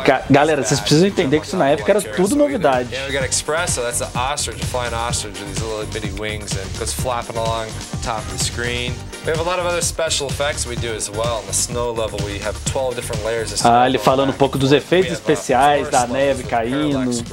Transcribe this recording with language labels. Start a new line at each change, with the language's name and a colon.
Portuguese: Galera, vocês precisam entender que isso na época era tudo novidade.
English: We got Expresso, that's an ostrich, a flying ostrich with these little bitty wings and goes flapping along the top of the screen. We have a lot of other special effects we do as well. On the snow level, we have 12 different layers of snow.
Portuguese: Ah, ele falando um pouco dos efeitos especiais da neve caindo.